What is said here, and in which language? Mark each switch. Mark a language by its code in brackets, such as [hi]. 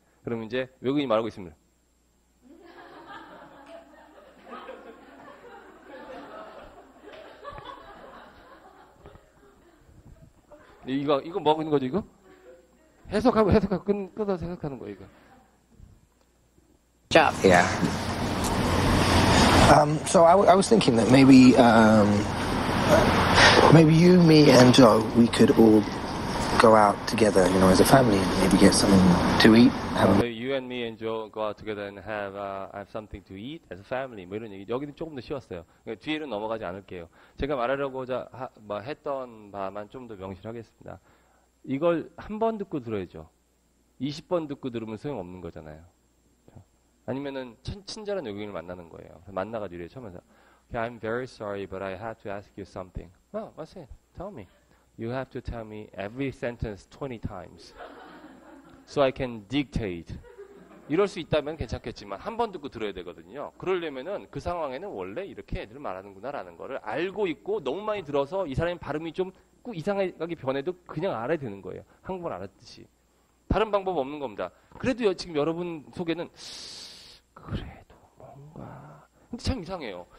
[ko] 그러면 이제 외국인이 말하고 있으면 이거 뭐 하고 있는 거지 이거? 해석하고 끊어서 생각하는 거 이거. [en] Job. Yeah. So I was thinking that maybe you, me, and Joe, we could all go out together, you know, as a family, and maybe get something to eat. Maybe you and me and Joe go out together and have, have something to eat as a family. [ko] 뭐 이런 얘기. 여기는 조금 더 쉬웠어요. 그러니까 뒤에는 넘어가지 않을게요. 제가 말하려고자 뭐 했던 바만 좀 더 명실하겠습니다. 이걸 한 번 듣고 들어야죠. 20번 듣고 들으면 소용없는 거잖아요. 아니면은 친절한 여객을 만나는 거예요. 만나가 뒤에 처음에서 [en] okay, I'm very sorry but I have to ask you something. Well, what's it? Tell me. You have to tell me every sentence 20 times. So I can dictate. [ko] 이럴 수 있다면 괜찮겠지만 한 번 듣고 들어야 되거든요. 그러려면은 그 상황에는 원래 이렇게 애들 말하는구나라는 거를 알고 있고 너무 많이 들어서 이 사람의 발음이 좀 꼭 이상하게 변해도 그냥 알아야 되는 거예요. 한국말 알았듯이. 다른 방법 없는 겁니다. 그래도 지금 여러분 속에는 그래도 뭔가 근데 참 이상해요.